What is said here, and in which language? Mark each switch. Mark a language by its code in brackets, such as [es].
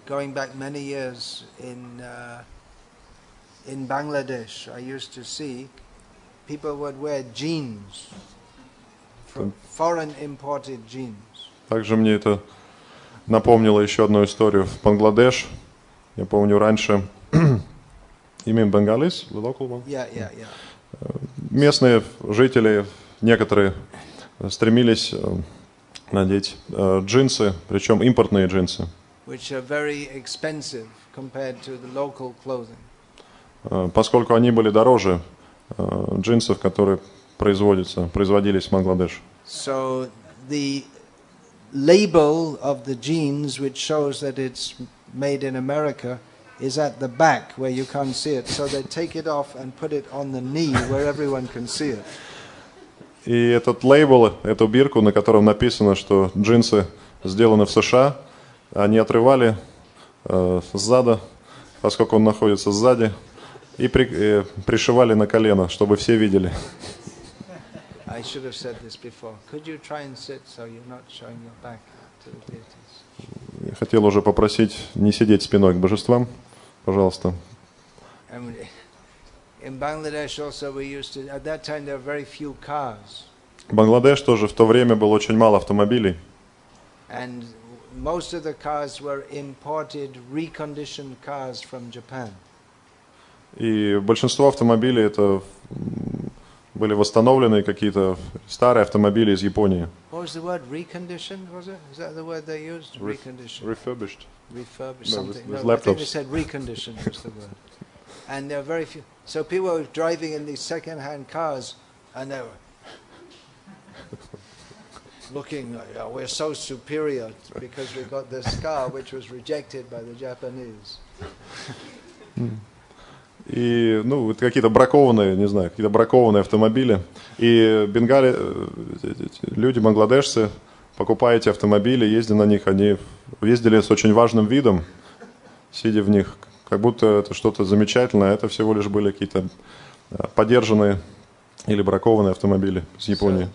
[en] Going back many years in Bangladesh, I used to see people would wear jeans, foreign imported jeans. [ru] Также мне это напомнило еще одну историю в Бангладеш. Я помню раньше, имеем Bengalis, [en] the local one. Yeah. [ru] Местные жители некоторые стремились надеть джинсы, причем импортные джинсы. [en] Which are very expensive compared to the local clothing. [ru] Поскольку они были дороже джинсов, которые производились в Бангладеш. [en] So the label of the jeans, which shows that it's made in America, is at the back where you can't see it. So they take it off and put it on the knee where everyone can see it. [ru] И этот лейбл, эту бирку, на котором написано, что джинсы сделаны в США, они отрывали сзада, поскольку он находится сзади, и пришивали на колено, чтобы все видели. [en] I should have said this before. Could you try and sit so you're not showing your back to the deities? [ru] хотел уже попросить не сидеть спиной к божествам. Пожалуйста. [en] In Bangladesh also we used to, at that time there were very few cars. [ru] В Бангладеш тоже в то время было очень мало автомобилей. [en] And most of the cars were imported reconditioned cars from Japan. [ru] И большинство автомобилей это были восстановлены какие-то старые автомобили из Японии. [en] What was the word? Reconditioned, was it? Is that the word they used? Reconditioned. Refurbished. I think they said reconditioned was the word. And there were very few. So people were driving in these second-hand cars, and they were looking, we're so superior because we got this car, which was rejected by the Japanese. [ru] И, ну, вот какие-то бракованные, не знаю, какие-то бракованные автомобили. И бенгали, люди, бангладешцы, покупая эти автомобили, ездили на них, они ездили с очень важным видом, сидя в них, как будто это что-то замечательное, это всего лишь были какие-то подержанные или бракованные автомобили из Японии.